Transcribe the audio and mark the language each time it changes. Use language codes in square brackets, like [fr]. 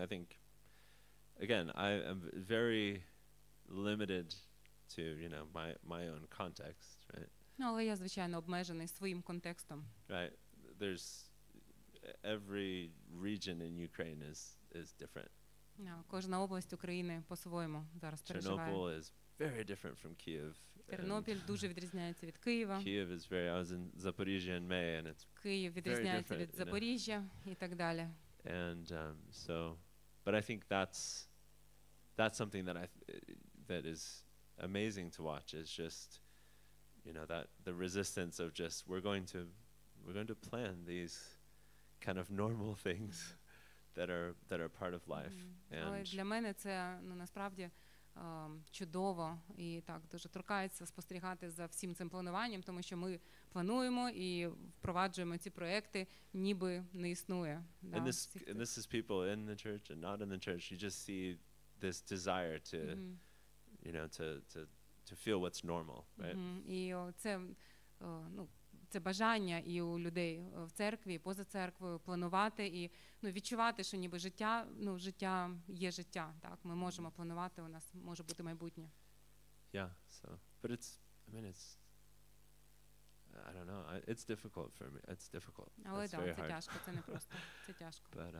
[en] I think again, I am very limited to, you know, my own context, right? [uk] Ну, але я, звичайно, обмежений своїм контекстом. [en] Right. There's every region in Ukraine is different. [uk] Кожна область України по-своєму зараз переживає. [en] Chernobyl is very different from Kyiv. [uk] Тернопіль дуже відрізняється від Києва. [en] Kyiv is very, I was in Zaporizhia in May and it's [uk] Київ відрізняється від Запоріжжя і так далі. [en] And but I think that's something that is amazing to watch is just, you know, that the resistance of just we're going to plan these kind of normal things that are part of life. [uk] Але для мене це, ну, насправді чудово і так дуже торкається спостерігати за всім цим плануванням, тому що ми плануємо і впроваджуємо ці проекти, ніби не існує. [en] And this is people in the church and not in the church. You just see this desire to, you know, to feel what's normal, right? [uk] І це, ну, це бажання і у людей в церкві, поза церквою планувати і, ну, відчувати, що ніби життя, ну, життя є життя, так? Ми можемо планувати, у нас може бути майбутнє. [en] Yeah, so, but it's, I mean, it's, I don't know, it's difficult for me, it's difficult. [uk] Але так, це тяжко, це непросто, це тяжко.